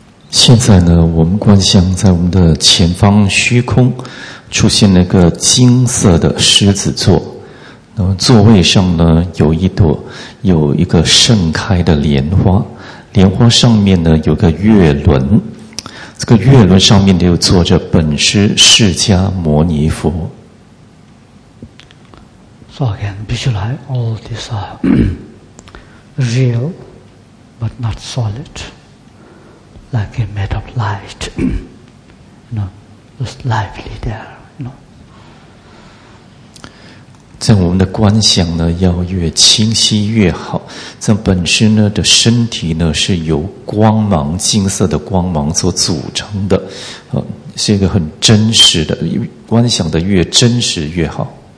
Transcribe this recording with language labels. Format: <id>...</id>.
<zh>现在呢，我们观想在我们的前方虚空出现了一个金色的狮子座，那么座位上呢有一朵有一个盛开的莲花，莲花上面呢有个月轮，这个月轮上面就坐着本师释迦牟尼佛。</zh> <en>So again, visualize all these are real but not solid. like a matter of light, you know, just lively there, you know.</en> <zh>这样我们的观想呢，要越清晰越好。这本身呢的身体呢，是由光芒、金色的光芒所组成的，是一个很真实的，观想的越真实越好。</zh>